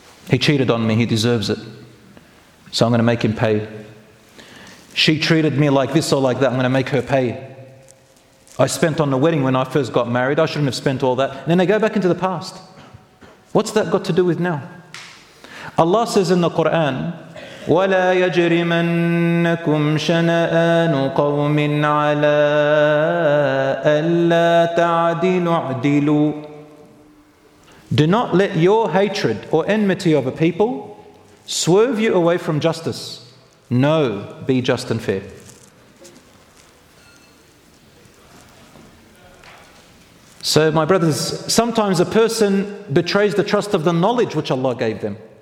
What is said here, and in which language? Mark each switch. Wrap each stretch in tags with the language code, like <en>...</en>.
<en>He cheated on me. He deserves it. So I'm going to make him pay. She treated me like this or like that. I'm going to make her pay. I spent on the wedding when I first got married. I shouldn't have spent all that. And then they go back into the past. What's that got to do with now? Allah says in the Quran,</en> <ar>وَلَا يَجْرِمَنَّكُمْ شَنَآنُ قَوْمٍ عَلَىٰ أَلَّا تَعْدِلُ عَدِلُ.</ar> <en>Do not let your hatred or enmity of a people swerve you away from justice. No, be just and fair. So my brothers, sometimes a person betrays the trust of the knowledge which Allah gave them.</en>